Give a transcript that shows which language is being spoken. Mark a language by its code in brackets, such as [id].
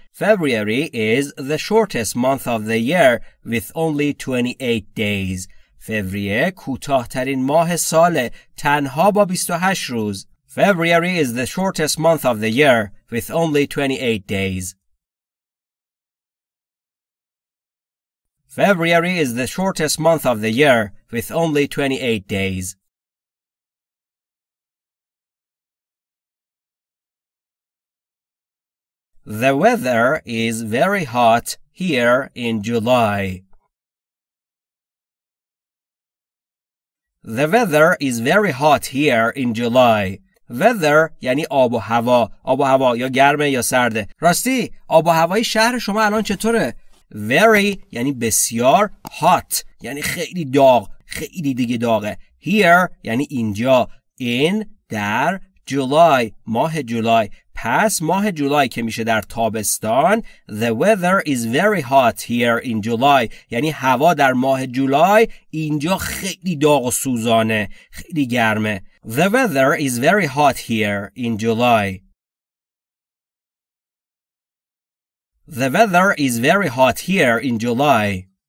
[en] February is the shortest month of the year with only 28 days. [fa] فوریه کوتاه‌ترین ماه ساله, تنها با 28 روز. [en] February is the shortest month of the year with only 28 days. February is the shortest month of the year with only 28 days. The weather is very hot here in July. The weather is very hot here in July. [fa] weather یعنی آب و هوا. آب و هوا یا گرمه یا سرده. راستی آب و هوای شهر شما الان چطوره؟ very یعنی بسیار، hot یعنی خیلی داغ، خیلی دیگه داغه. here یعنی اینجا، in در جولای، ماه جولای. پس ماه جولای که میشه در تابستان، [en] the weather is very hot here in July، [fa] یعنی هوا در ماه جولای اینجا خیلی داغ و سوزانه، خیلی گرمه. [en] the weather is very hot here in July. The weather is very hot here in July.